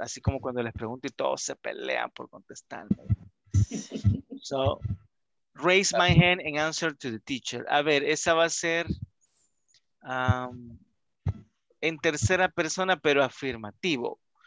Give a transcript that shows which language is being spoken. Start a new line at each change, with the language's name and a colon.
Spanish: Así como cuando les pregunto y todos se pelean por contestarme.
English: So, raise my hand and answer to the teacher.
Spanish: A ver, esa va a ser en tercera persona, pero afirmativo.